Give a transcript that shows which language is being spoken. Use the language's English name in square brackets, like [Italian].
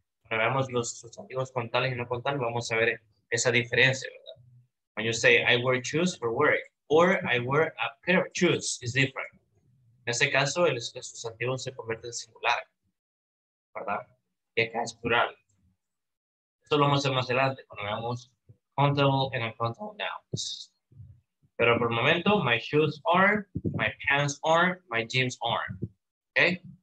[Spanish] Cuando veamos los sustantivos contables y no contables, vamos a ver esa diferencia, ¿verdad? [English] When you say, I wear shoes for work, or I wear a pair of shoes, it's different. [Spanish] En ese caso, el sustantivo se convierte en singular, ¿verdad? Y acá es plural. Esto lo vamos a hacer más adelante cuando veamos [English] countable and uncountable nouns. [Spanish] Pero por el momento, [English] my shoes are, my pants are, my jeans are. Okay?